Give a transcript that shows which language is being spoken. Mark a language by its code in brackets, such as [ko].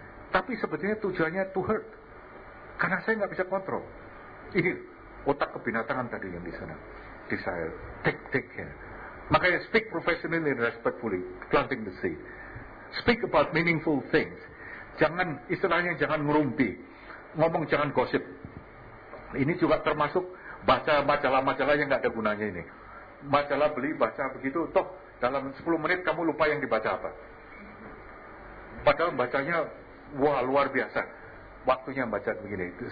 [id] Tapi sebetulnya tujuannya [en] to hurt. [id] Karena saya nggak bisa kontrol. Ini otak kebinatangan tadi yang di sana. Di saya, [en] take care. [id] Makanya [en] speak professionally and respectfully, planting the seed. Speak about meaningful things. [id] Jangan, istilahnya jangan ngerumpi. Ngomong jangan gosip. Ini juga termasuk baca majalah-majalah yang gak ada gunanya ini. Majalah beli, baca begitu, toh dalam 10 menit kamu lupa yang dibaca apa. Padahal bacanya, wah luar biasa. Waktunya baca begini.